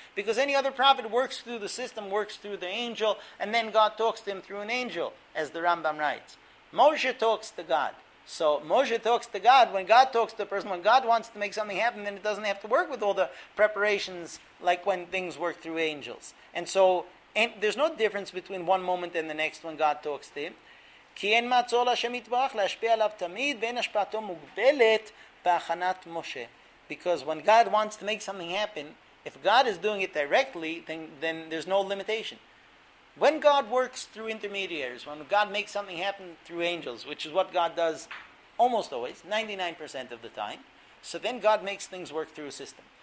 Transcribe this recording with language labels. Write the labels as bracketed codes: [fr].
[en] Because any other prophet works through the system, works through the angel, and then God talks to him through an angel, as the Rambam writes. Moshe talks to God. So Moshe talks to God. When God talks to a person, when God wants to make something happen, then it doesn't have to work with all the preparations like when things work through angels. And so there's no difference between one moment and the next when God talks to him. [he] כי אין מעצור להשם יתברך להשפיע עליו תמיד ואין השפעתו מוגבלת בהכנת משה. [en] Because when God wants to make something happen, if God is doing it directly, then there's no limitation. When God works through intermediaries, when God makes something happen through angels, which is what God does almost always, 99% of the time, so then God makes things work through a system.